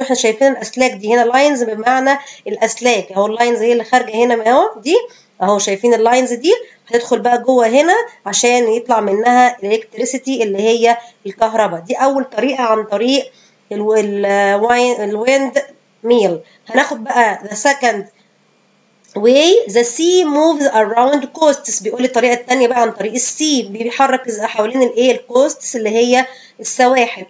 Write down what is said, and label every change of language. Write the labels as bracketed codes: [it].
[ar] احنا شايفين الاسلاك دي هنا لاينز بمعنى الاسلاك، اهو اللاينز هي اللي خارجه هنا اهو، دي اهو شايفين اللاينز دي هتدخل بقى جوه هنا عشان يطلع منها الكتريسيتي اللي هي الكهرباء. دي اول طريقه عن طريق الويند ميل. [en] هناخد بقى the second way. the sea moves around coasts، [ar] بيقول الطريقه الثانيه بقى عن طريق السي، بيحرك حوالين الايه؟ الكوستس اللي هي السواحل.